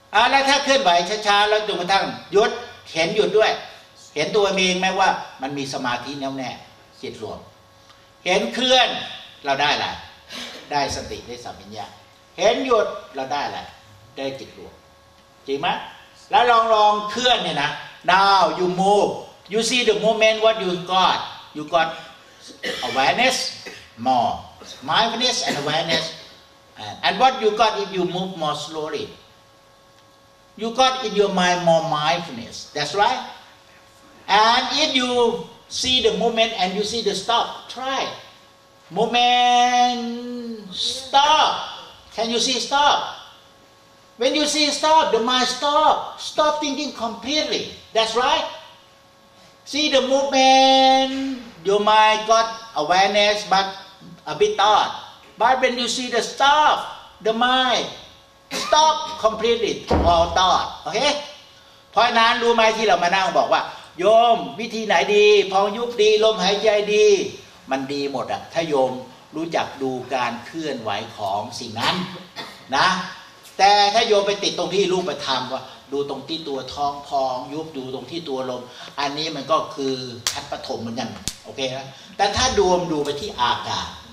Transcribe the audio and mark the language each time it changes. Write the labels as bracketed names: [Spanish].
[Thai] แล้วถ้าเคลื่อนไหวช้าๆแล้วจนกระทั่งหยุดเห็นหยุดด้วยเห็นตัวเองไหมว่ามันมีสมาธิแน่วแน่จิตรวมเห็นเคลื่อนเราได้อะไรได้สติได้สัมปชัญญะเห็นหยุดเราได้อะไรได้จิตรวมจริงไหมแล้วลองเคลื่อนเนี่ยนะ [English] now you move You see the moment what you got awareness, more mindfulness and awareness. And what you got if you move more slowly? You got in your mind more mindfulness, that's right? And if you see the moment and you see the stop, try. Moment, stop. Can you see stop? When you see stop, the mind stop. Stop thinking completely, that's right? See the movement, your mind got awareness but a bit thought. But when you see the stuff, the mind stop completely all thought. Okay? [Thai] เพราะนั้นรู้ไหมที่เรามานั่งบอกว่าโยมวิธีไหนดีพองยุบดีลมหายใจดีมันดีหมดอะถ้าโยมรู้จักดูการเคลื่อนไหวของสิ่งนั้นนะแต่ถ้าโยมไปติดตรงที่รูปธรรมว่าดูตรงที่ตัวท้องพองยุบดูตรงที่ตัวลมอันนี้มันก็คือขั้นปฐมเหมือนกันโอเคนะแต่ถ้าดูมดูไปที่อากาศ